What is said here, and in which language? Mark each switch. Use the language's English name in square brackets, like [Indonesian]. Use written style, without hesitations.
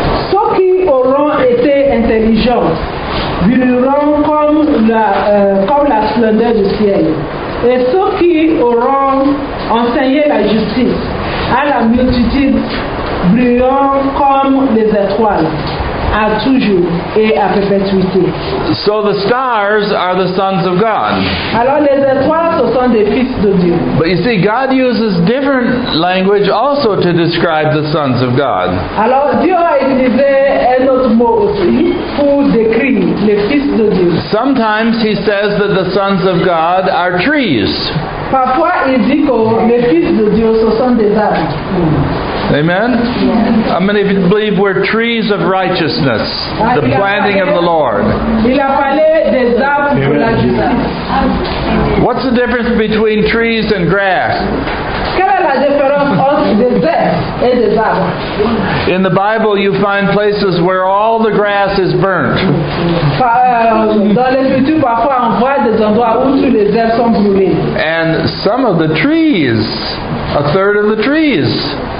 [French] Ceux qui auront été intelligents viendront comme la splendeur du ciel. Et ceux qui auront enseigné la justice à la multitude brilleront comme les étoiles à toujours et à perpétuité. [English] So the stars are the sons of God. [French] Alors les étoiles, ce sont des fils de Dieu. [English] But you see, God uses different language also to describe the sons of God. [French] Alors Dieu a utilisé un autre mot aussi pour décrire les fils de Dieu. [English] Sometimes he says that the sons of God are trees. [French] Parfois il dit que les fils de Dieu, ce sont des arbres. [English] Amen? How many of you believe we're trees of righteousness, the planting of the Lord? [French] Il a parlé des arbres de la justice. [English] What's the difference between trees and grass? [French] Quelle est la différence entre des herbes et des arbres? [English] In the Bible, you find places where all the grass is burnt. [French] Dans l'Écriture, parfois, on voit des endroits où tous les herbes sont brûlées. [English] And some of the trees, a third of the trees.